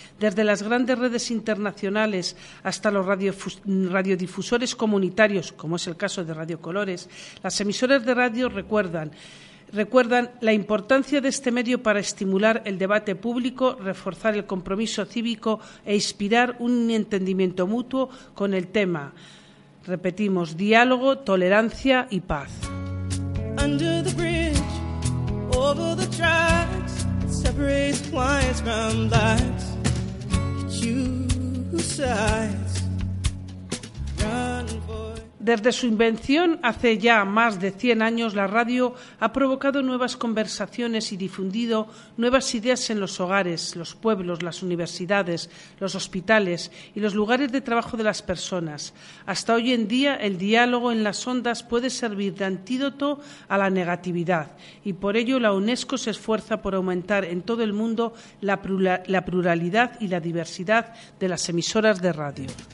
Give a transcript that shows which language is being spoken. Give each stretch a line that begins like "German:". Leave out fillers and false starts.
Spanish: Desde las grandes redes internacionales hasta los radiodifusores comunitarios, como es el caso de Radio Colores, las emisoras de radio recuerdan la importancia de este medio para estimular el debate público, reforzar el compromiso cívico e inspirar un entendimiento mutuo con el tema. Repetimos, diálogo, tolerancia y paz.
English: Under the bridge, over the tracks, separates lines from lights, choose sides, run.
Spanish: Desde su invención, hace ya más de 100 años, la radio ha provocado nuevas conversaciones y difundido nuevas ideas en los hogares, los pueblos, las universidades, los hospitales y los lugares de trabajo de las personas. Hasta hoy en día, el diálogo en las ondas puede servir de antídoto a la negatividad y por ello la UNESCO se esfuerza por aumentar en todo el mundo la pluralidad y la diversidad de las emisoras de radio.